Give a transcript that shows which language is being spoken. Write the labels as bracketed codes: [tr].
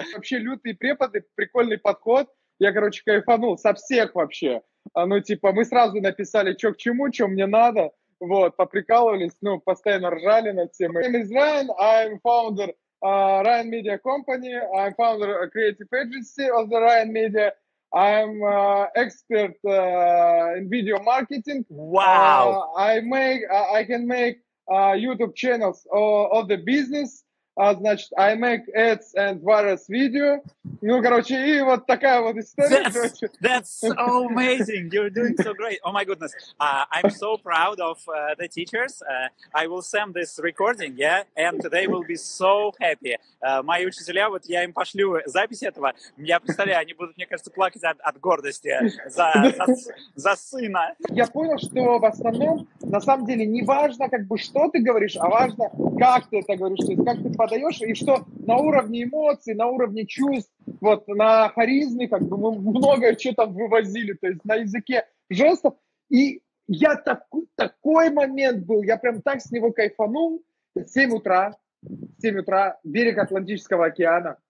[ru] Вообще лютые преподы, прикольный подход. Я, короче, кайфанул со всех вообще. Ну, типа, мы сразу написали, что к чему, что мне надо. Вот, поприкалывались, ну, постоянно ржали над всем. [en] My name is Ryan, I'm founder Ryan Media Company. I'm founder creative agency of the Ryan Media. I'm expert in video marketing. Wow. I can make YouTube channels of the business. Значит, I make ads and various video. [ru] Ну, короче, и вот такая вот история. [en] That's so amazing. You're doing so great. Oh, my goodness. I'm so proud of the teachers. I will send this recording, yeah? And they will be so happy. [ru] Мои учителя, вот я им пошлю запись этого. Я представляю, они будут, мне кажется, плакать от гордости за сына. Я понял, что в основном, на самом деле, не важно, как бы, что ты говоришь, а важно, как ты это говоришь, как ты подаешь, и что на уровне эмоций, на уровне чувств, вот, на харизме, как бы, мы многое что там вывозили, то есть на языке жестов, и я такой момент был, я прям так с него кайфанул, 7 утра, берег Атлантического океана,